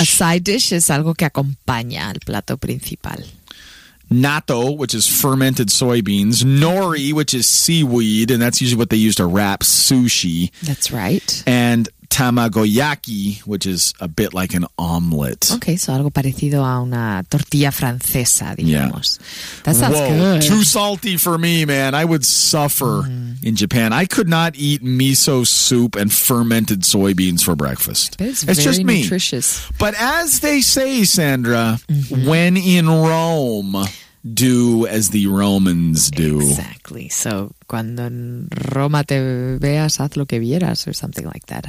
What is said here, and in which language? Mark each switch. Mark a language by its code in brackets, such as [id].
[en] A side dish is [es] algo que acompaña al plato principal. [en] Natto, which is fermented soybeans. Nori, which is seaweed. And that's usually what they use to wrap sushi. That's right. And tamagoyaki, which is a bit like an omelet. Okay, so [es] algo parecido a una tortilla francesa, digamos. [en] Yeah. That sounds Whoa, good. Too salty for me, man. I would suffer in Japan. I could not eat miso soup and fermented soybeans for breakfast. It's very just me. Nutritious. But as they say, Sandra, when in Rome, do as the Romans do. Exactly. So, [es] cuando en Roma te veas, haz lo que vieras, [en] or something like that.